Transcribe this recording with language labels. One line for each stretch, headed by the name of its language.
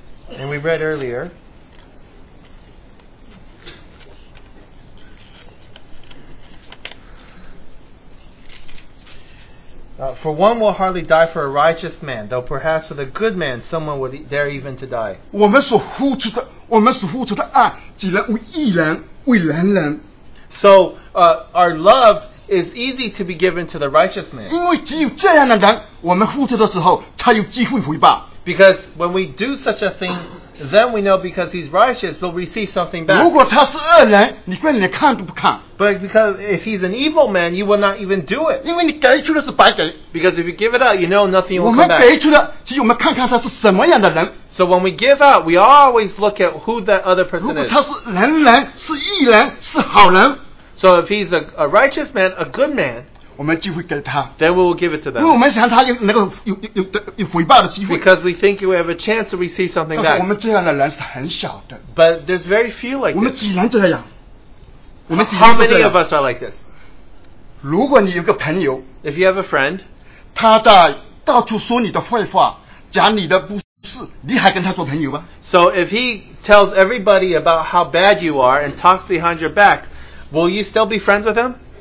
English: and we read earlier, for one will hardly die for a righteous man, though perhaps for the good man someone would dare even to die.
Chinese: 我们所付出的爱只能为一人,
English: so our love is easy to be given to the righteous man.
Chinese: 因为只有这样的人,我们付出的时候,才有机会回报,
English: because when we do such a thing, then we know because he's righteous, we'll receive something back.
Chinese: 如果他是恶人,
English: but because if he's an evil man, you will not even do it. Because if you give it out, you know nothing will come back. So when we give out, we always look at who that other person is.
Chinese: 如果他是人人, 是义人, 是好人,
English: so if he's a righteous man, a good man, then we will give it to them.
Chinese: 因为我们想他有那个有回报的机会,
English: because we think we have a chance to receive something back.
Chinese: 但是我们这样的人是很小的,
English: but there's very few like
Chinese: 我们几人这样,
English: this.
Chinese: 我们几人这样,
English: how many of us are like this?
Chinese: 如果你有个朋友,
English: if you have a friend,
Chinese: 他在到处说你的坏话, 讲你的不是, 你还跟他做朋友吗?
English: So if he tells everybody about how bad you are and talks behind your back, will you still be friends with him?